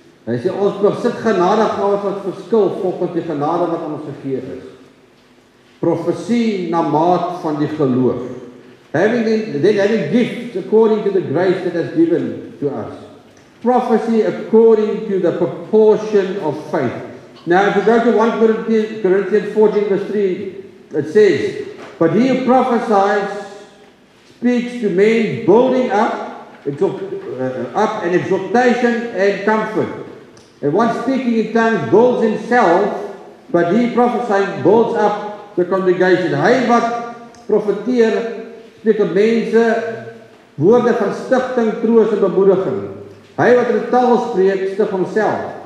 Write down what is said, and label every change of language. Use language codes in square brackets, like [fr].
[af] Hy sê, ons besit genade gawes wat verskil volgens die genade wat aan ons gegee is. Profesie na maat van die geloof. [en] Having gifts according to the grace that has given to us. Prophecy according to the proportion of faith. Now if you go to 1 Corinthians 14 verse 3, it says, but he who prophesies speaks to men building up, up and exhortation and comfort. And one speaking in tongues builds himself, but he prophesying builds up the congregation. [af] Hy wat profeteer, [en] speak to mense, [af] Woorde van stichting, troos en bemoediging. Hy wat in taal spreek, stig homself.